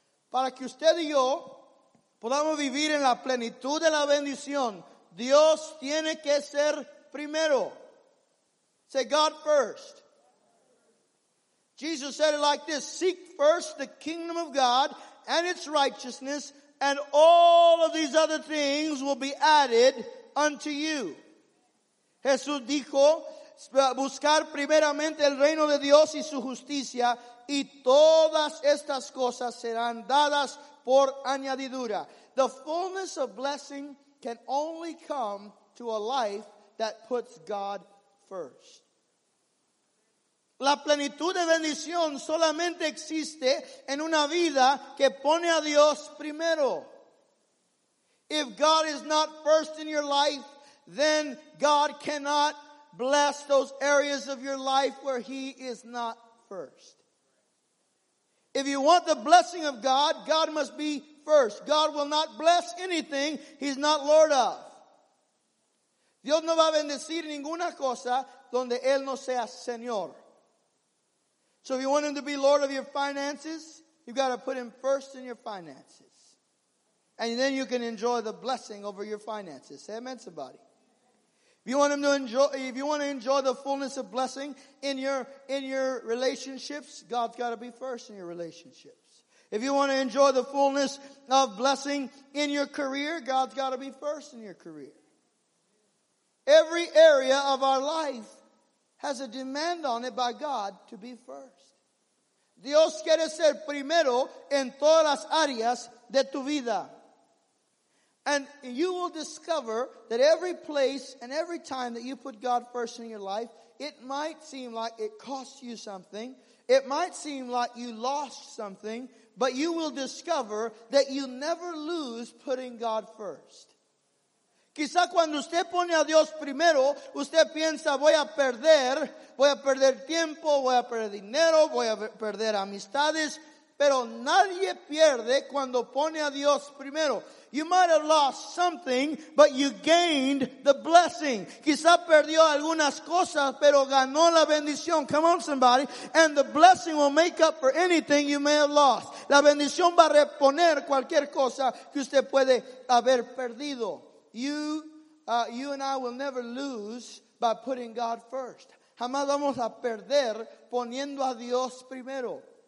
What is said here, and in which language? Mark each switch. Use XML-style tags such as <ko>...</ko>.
<es>Para que usted y yo podamos vivir en la plenitud de la bendición, Dios tiene que ser primero.</es> <en>Say, God first. Jesus said it like this, seek first the kingdom of God and its righteousness, and all of these other things will be added unto you.</en> <es>Jesús dijo, buscar primeramente el reino de Dios y su justicia, y todas estas cosas serán dadas por añadidura.</es> <en>The fullness of blessing can only come to a life that puts God first.</en> <es>La plenitud de bendición solamente existe en una vida que pone a Dios primero.</es> <en>If God is not first in your life, then God cannot bless those areas of your life where He is not first. If you want the blessing of God, God must be first. God will not bless anything He's not Lord of.</en> <es>Dios no va a bendecir ninguna cosa donde Él no sea Señor.</es> <en>So if you want him to be Lord of your finances, you've got to put him first in your finances. And then you can enjoy the blessing over your finances. Say amen, somebody. If you want them to enjoy, if you want to enjoy the fullness of blessing in your relationships, God's got to be first in your relationships. If you want to enjoy the fullness of blessing in your career, God's got to be first in your career. Every area of our life has a demand on it by God to be first.</en> <es>Dios quiere ser primero en todas las áreas de tu vida.</es> <en>And you will discover that every place and every time that you put God first in your life, it might seem like it costs you something. It might seem like you lost something. But you will discover that you never lose putting God first.</en> <es>Quizá cuando usted pone a Dios primero, usted piensa, voy a perder tiempo, voy a perder dinero, voy a perder amistades. Pero nadie pierde cuando pone a Dios primero.</es> <en>You might have lost something, but you gained the blessing.</en> <es>Quizá perdió algunas cosas, pero ganó la bendición.</es> <en>Come on, somebody. And the blessing will make up for anything you may have lost.</en> <es>La bendición va a reponer cualquier cosa que usted puede haber perdido.</es> <en>You and I will never lose by putting God first.</en> <es>Jamás vamos a perder poniendo a Dios primero.</es>